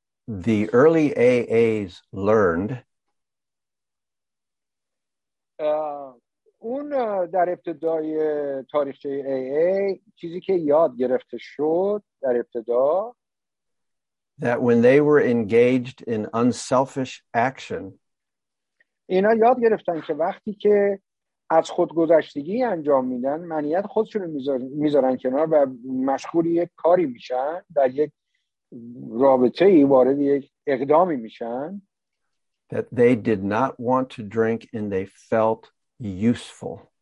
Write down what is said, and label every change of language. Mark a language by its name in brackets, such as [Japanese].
[English] The early AAs learned [Persian] اون در ابتدای تاریخچه AA چیزی که یاد گرفته شد در ابتدا [English] that when they were engaged in unselfish action [Persian] اینا یاد گرفتن که وقتی که از خودگذشتگی انجام میدن منیت خودشون رو میذارن کنار و مشغول یک کاری میشن در یک رابطه ای وارد یک اقدامی میشن [English] that they did not want to drink and they felt useful